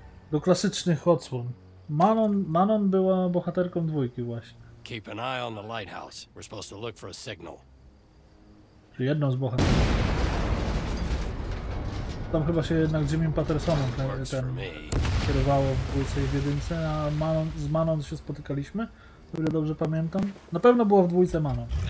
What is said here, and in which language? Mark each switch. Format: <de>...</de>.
<pl>Do klasycznych odsłon. Manon była bohaterką dwójki właśnie.</pl> <en>Keep an eye on the lighthouse. We're supposed to look for a signal.</en> <pl>Jedną z bohaterów. Tam chyba się jednak Jimmy Pattersonem ten kierowało w dwójce i w jedynce, a Manon, z Manon się spotykaliśmy, o ile dobrze pamiętam. Na pewno było w dwójce Manon.</pl>